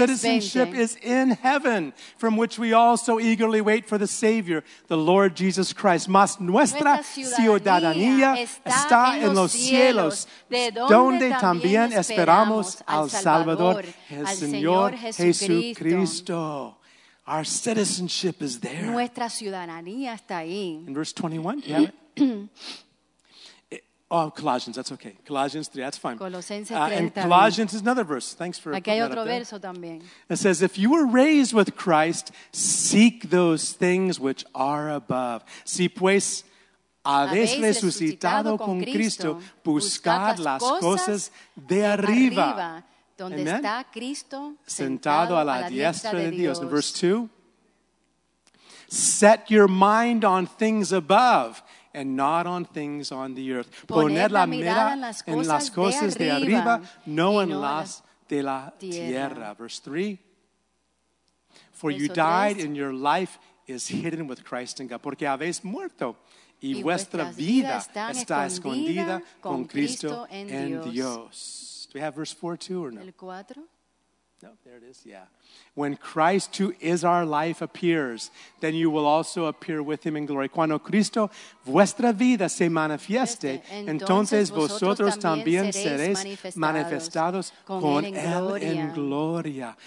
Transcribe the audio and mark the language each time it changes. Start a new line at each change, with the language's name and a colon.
English: Citizenship is in heaven, from which we also eagerly wait for the Savior, the Lord Jesus Christ.
Spanish: Mas nuestra ciudadanía está en los cielos, donde también esperamos al Salvador, el Señor Jesucristo.
English: Our citizenship is there.
Spanish: Nuestra ciudadanía está ahí.
English: In verse 21, you have it. Oh, Colossians, that's okay. Colossians 3, that's fine. And Colossians is another verse. Thanks for
Spanish: aquí hay
English: putting
Spanish: otro
English: that up
Spanish: verso
English: there.
Spanish: También.
English: It says, if you were raised with Christ, seek those things which are above.
Spanish: Si pues habéis resucitado con Cristo, buscad las cosas de arriba. Donde Amen. Está Cristo sentado a la diestra de Dios.
English: In verse 2, set your mind on things above. And not on things on the earth.
Spanish: Poner la mirada en las cosas de arriba, no en las de la tierra.
English: Verse 3. For you died and your life is hidden with Christ in God.
Spanish: Porque habéis muerto y vuestra vida está escondida con Cristo en Dios.
English: Do we have verse 4 too or no?
Spanish: El 4.
English: No, there it is, yeah. When Christ, who is our life, appears, then you will also appear with him in glory.
Spanish: Cuando Cristo, vuestra vida, se manifieste, entonces vosotros también seréis manifestados con él en gloria.